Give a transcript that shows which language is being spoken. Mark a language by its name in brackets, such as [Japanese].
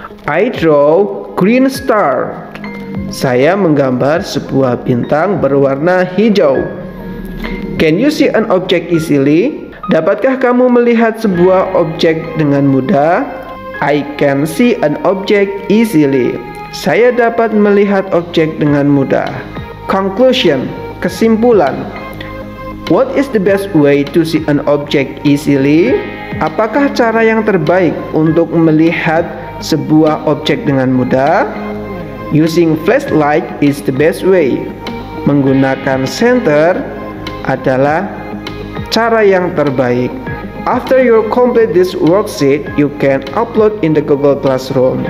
[English] I draw green star. [Indonesian] Saya menggambar sebuah bintang berwarna hijau. [English] Can you see an object easily? [Indonesian] Dapatkah kamu melihat sebuah objek dengan mudah? [English] I can see an object easily. [Indonesian] Saya dapat melihat objek dengan mudah. [English] Conclusion, kesimpulan. What is the best way to see an object easily? [Indonesian] Apakah cara yang terbaik untuk melihat sebuah objek dengan mudah? [English] Using flashlight is the best way. [Indonesian] Menggunakan senter adalah cara yang terbaik. [English] After you complete this worksheet, you can upload in the Google Classroom.